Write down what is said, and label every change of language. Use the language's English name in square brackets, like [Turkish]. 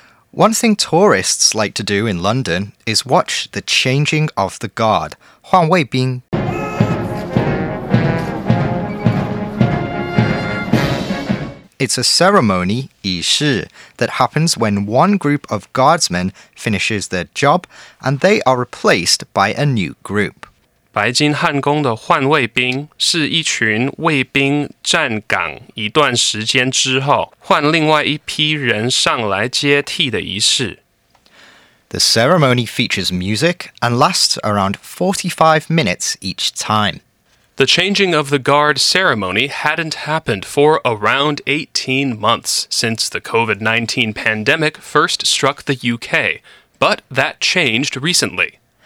[English] One thing tourists like to do in London is watch the changing of the guard, 换卫兵. It's a ceremony, 仪式,that happens when one group of guardsmen finishes their job and they are replaced by a new group. [Chinese] 白金汉宫的换卫兵是一群卫兵站岗一段时间之后换另外一批人上来接替的仪式。 [English] The ceremony features music and lasts around 45 minutes each time. The changing of the guard ceremony hadn't happened for around 18 months since the COVID-19 pandemic first struck the UK, but that changed recently.